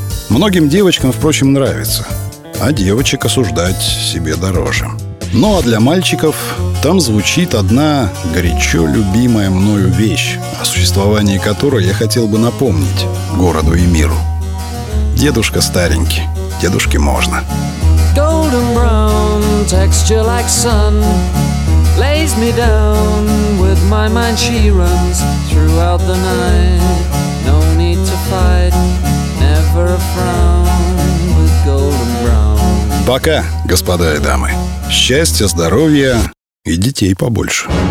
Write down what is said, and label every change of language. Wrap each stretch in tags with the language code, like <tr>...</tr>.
<ru>Многим девочкам, впрочем, нравится, а девочек осуждать себе дороже. Ну а для мальчиков там звучит одна горячо любимая мною вещь, о существовании которой я хотел бы напомнить городу и миру. Дедушка старенький, дедушке можно.</ru> <en>Golden brown, texture like sun, lays me down with my mind, she runs throughout the night, no need to fight, never a frown with golden brown.</en> <ru>Пока, господа и дамы. Счастья, здоровья и детей побольше.</ru>